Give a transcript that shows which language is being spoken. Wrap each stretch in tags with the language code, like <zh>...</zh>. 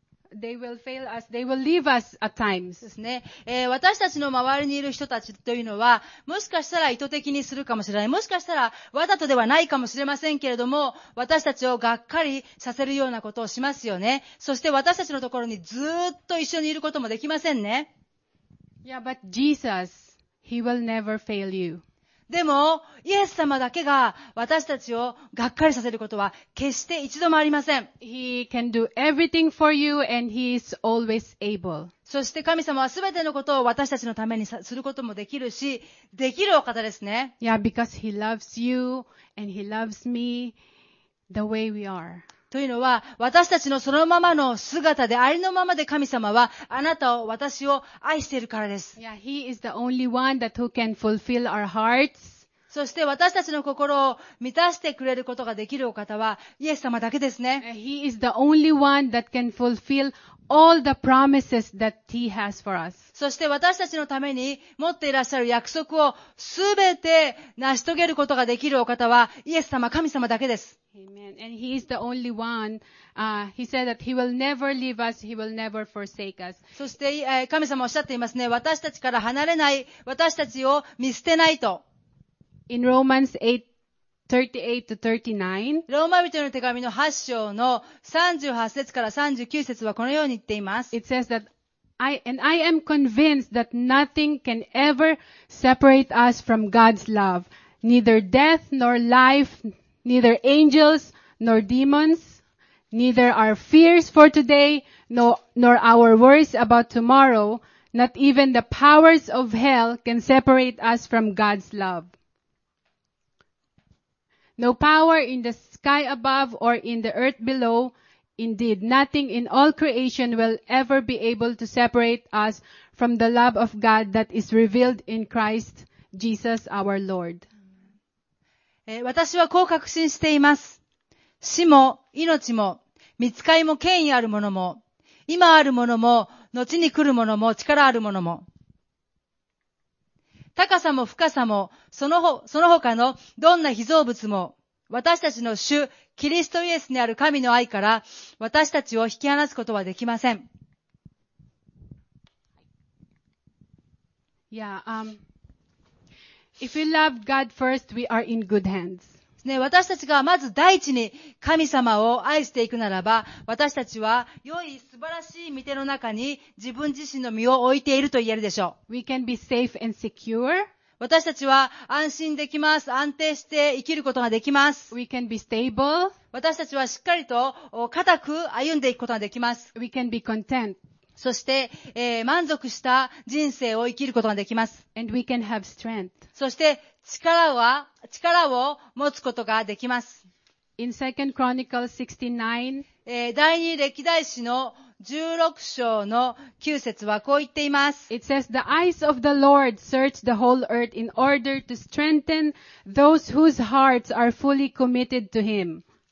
<en>They will fail us. They will leave us at times.</en> <ja>ですね。私たちの周りにいる人たちというのは、もしかしたら意図的にするかもしれない。もしかしたらわざとではないかもしれませんけれども、私たちをがっかりさせるようなことをしますよね。そして私たちのところにずっと一緒にいることもできませんね。</ja> <en>Yeah, but Jesus, He will never fail you.</en> <ja>でも、イエス様だけが私たちをがっかりさせることは決して一度もありません。</ja> <en>He can do everything for you and He is always able.</en> <ja>そして神様はすべてのことを私たちのためにすることもできるし、できるお方ですね。</ja> <en>Yeah, because He loves you and He loves me the way we are.</en> <ja>というのは、私たちのそのままの姿で、ありのままで神様は、あなたを、私を愛しているからです。</ja> <en>Yeah, He is the only one that who can fulfill our hearts.</en> <ja>そして私たちの心を満たしてくれることができるお方は、イエス様だけですね。</ja> <en>He is the only one that can fulfill all the promises that He has for us.</en> <ja>そして私たちのために持っていらっしゃる約束をすべて成し遂げることができるお方は、イエス様、神様だけです。</ja> <en>Amen. And He is the only one. He said that He will never leave us. He will never forsake us.</en> <ja>そして、神様おっしゃっていますね。私たちから離れない。私たちを見捨てないと。</ja> <en>In Romans 8:38-39.</en> <ja>ローマ人の手紙の8章の38節から39節はこのように言っています。</ja> <en>It says that I am convinced that nothing can ever separate us from God's love. Neither death nor life, neither angels nor demons, neither our fears for today, nor our worries about tomorrow, not even the powers of hell can separate us from God's love. No power in the sky above or in the earth below, indeed, nothing in all creation will ever be able to separate us from the love of God that is revealed in Christ Jesus our Lord.</en> <ja>私はこう確信しています。死も、命も、見つかりも権威あるものも、今あるものも、後に来るものも、力あるものも、高さも深さも、その他のどんな被造物も、私たちの主、キリストイエスにある神の愛から、私たちを引き離すことはできません。</ja> <en>Yeah, If we love God first, we are in good hands.</en> <ja>ね、私たちがまず第一に神様を愛していくならば、私たちは良い素晴らしい御手の中に自分自身の身を置いていると言えるでしょう。</ja> <en>We can be safe and secure.</en> <ja>私たちは安心できます。安定して生きることができます。</ja> <en>We can be stable.</en> <ja>私たちはしっかりと固く歩んでいくことができます。</ja> <en>We can be content.</en> <ja>そして、満足した人生を生きることができます。</ja> <en>And we can have strength.</en> <ja>そして、力を持つことができます。</ja> <en>In 2 Chronicles 69,</en> <ja>第二歴代史の16章の9節はこう言っています。</ja> <en>It says, The eyes of the Lord search the whole earth in order to strengthen those whose hearts are fully committed to Him.</en>